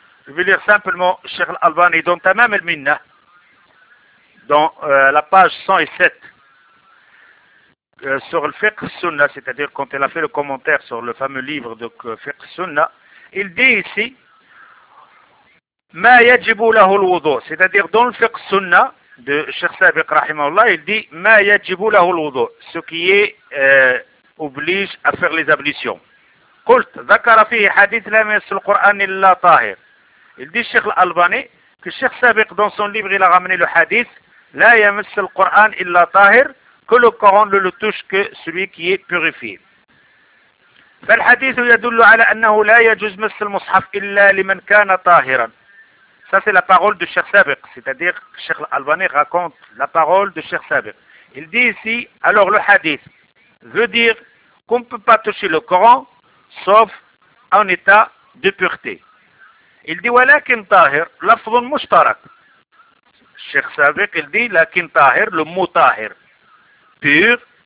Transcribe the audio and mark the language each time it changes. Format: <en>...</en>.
<fr>Je vais lire simplement Cheikh Al-Albani dans Tamam al-Minna, dans la page 107, sur le Fiqh Sunnah, c'est-à-dire quand il a fait le commentaire sur le fameux livre de Fiqh Sunnah, il dit ici,</fr> <ar>Ma yajibu lahu al-wudu,</ar> <fr>c'est-à-dire dans le Fiqh Sunnah de Cheikh Sabiq Rahimahullah, il dit Ma yajibu lahu al-wudu, ce qui est oblige à faire les ablutions.</fr> <ar>قلت ذكر فيه حديث لم يمس القرآن إلا طاهر.</ar> <fr>Il dit Cheikh Al-Albani que Cheikh Sabiq dans son livre il a ramené le hadith</fr> <ar>لا يمس القرآن إلا طاهر,</ar> <fr>que le Coran ne le touche que celui qui est purifié.</fr> <ar>فالحديث يدل على أنه لا يجوز مس المصحف إلا لمن كان طاهرا.</ar> <fr>Ça c'est la parole de Cheikh Sabiq, c'est-à-dire Cheikh Al-Albani raconte la parole de Cheikh Sabiq. Il dit ici, alors le hadith veut dire qu'on ne peut pas toucher le Coran sauf en état de pureté. Il dit,</fr> <ar>walakin tahir, lafdun mushtarak.</ar> <fr>Cheikh Sabiq, il dit, lakin tahir, le mot tahir, pur.</fr>